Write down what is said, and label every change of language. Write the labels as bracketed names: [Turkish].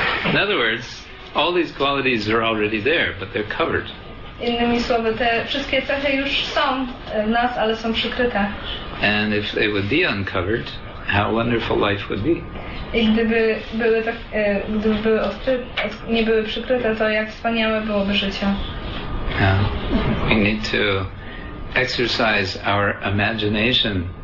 [English] In other words, all these qualities are already there, but they're covered. [Polish] Innymi słowy, te wszystkie cechy już są w nas, ale są przykryte. [English] And if they would be uncovered, how wonderful life would be. [Polish] I gdyby były tak, gdyby były nie były przykryte, to jak wspaniałe byłoby życie. [English] We need to exercise our imagination.